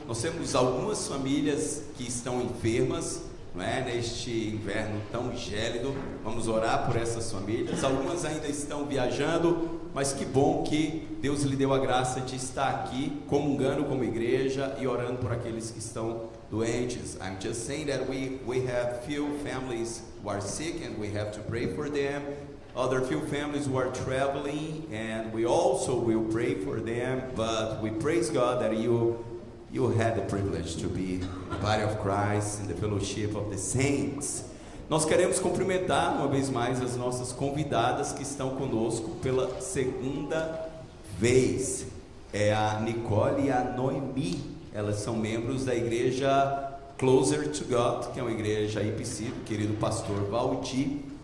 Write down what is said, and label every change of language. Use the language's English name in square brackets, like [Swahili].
[Portuguese] Nós temos algumas famílias que estão enfermas, não é? Neste inverno tão gélido, vamos orar por essas famílias. Algumas ainda estão viajando, mas que bom que Deus lhe deu a graça de estar aqui comungando como igreja e orando por aqueles que estão doentes. [English] I'm just saying that we have few families who are sick and we have to pray for them. Other few families who are traveling and we also will pray for them. But we praise God that you had the privilege to be the body of Christ in the fellowship of the saints. [Portuguese] Nós queremos cumprimentar uma vez mais as nossas convidadas que estão conosco pela segunda vez. É a Nicole e a Noemi. Elas são membros da igreja Closer to God, que é uma igreja IPC, querido pastor Valdi.